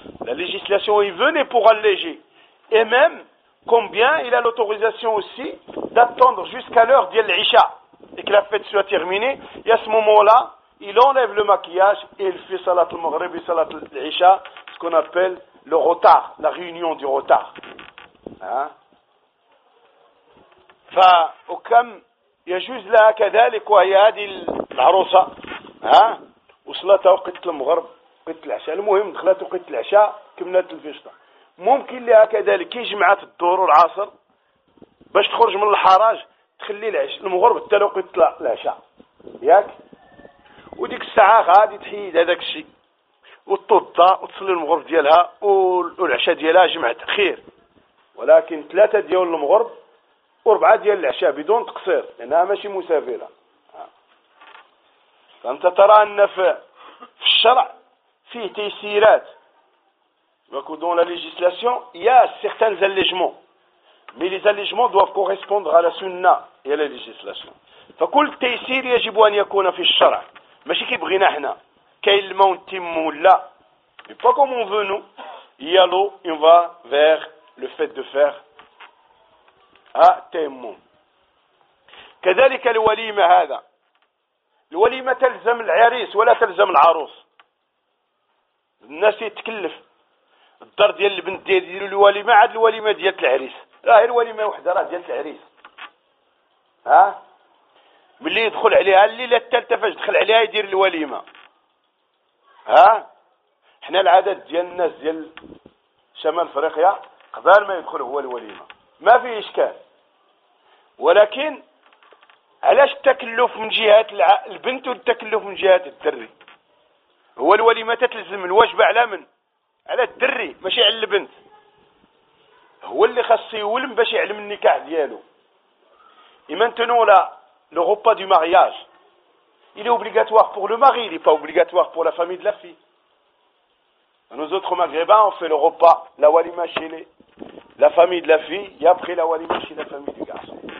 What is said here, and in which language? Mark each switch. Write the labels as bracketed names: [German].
[French] La législation, il venait pour alléger. Et même, combien il a l'autorisation aussi d'attendre jusqu'à l'heure d'Yel Isha et que la fête soit terminée. Et à ce moment-là, il enlève le maquillage et il fait Salat al-Maghrib et Salat al-Isha, ce qu'on appelle le retard, la réunion du retard. Hein? [Arabic] فكم يجوز لها كذلك، وهي هذه العروسة وصلتها وقت المغرب وقت العشاء، المهم دخلت وقت العشاء كملت الفشطة، ممكن لها كذلك كي جمعت الظهر والعصر باش تخرج من الحراج تخلي العشاء المغرب حتى لو قلت العشاء ياك، وديك الساعة غادي تحيد هذاك الشيء وتوضى وتصلي المغرب ديالها والعشاء ديالها جمعت خير. ولكن ثلاثة ديال المغرب وربعة ديال العشاء بدون تقصير لأنها ماشي مسافرة. فأنت ترى أن في الشرع فيه تيسيرات، وكو دون [French] la législation il y a certains allégements mais les allégements doivent correspondre à la sunna et à la législation. [Arabic] فكل تيسير يجب أن يكون في الشرع، ماشي كي بغينا احنا كاين الماء ونتمو لا [French] mais pas comme on veut nous. Il y a l'eau, on va vers le fait de faire التيمم. [Arabic] كذلك الوليمة، هذا الوليمة تلزم العريس ولا تلزم العروس، الناس يتكلف الدار ديال البنت ديال ديال الوليمة عاد الوليمة ديال العريس، راه الوليمة وحده راه ديال العريس. ها ملي يدخل عليها الليلة الثالثة فاش دخل عليها يدير الوليمة. ها حنا العدد ديال الناس ديال شمال افريقيا قبل ما يدخل هو الوليمة ما في اشكال، ولكن علاش التكلف من جهة البنت والتكلف من جهة الدري؟ هو الوليمة تلزم الواجب على من؟ على الدري ماشي على البنت، هو اللي خاص يولم باش يعلم النكاح ديالو. [French] ايمانتونو لا لو روبا دو مارياج il est obligatoire pour le mari, il est pas obligatoire pour la famille de la fille. Nous autres maghrébins on fait le repas la walima chez les la famille de la fille et après la walima chez la famille du garçon.